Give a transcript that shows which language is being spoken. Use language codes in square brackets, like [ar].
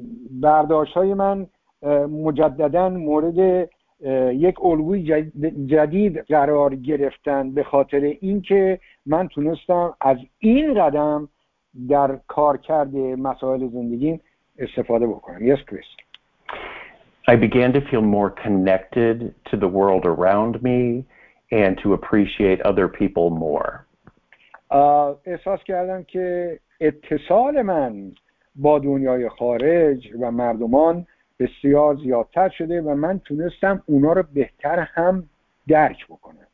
[fa] برداشت‌های من مجدداً مورد یک الگوی جدید قرار گرفتن به خاطر اینکه من تونستم از این قدم در کارکرد مسائل زندگیم استفاده بکنم. [en] Yes, Chris. I began to feel more connected to the world around me and to appreciate other people more. [fa] احساس کردم که اتصال من با دنیای خارج و مردمان بسیار زیادتر شده و من تونستم اونا رو بهتر هم درک بکنم.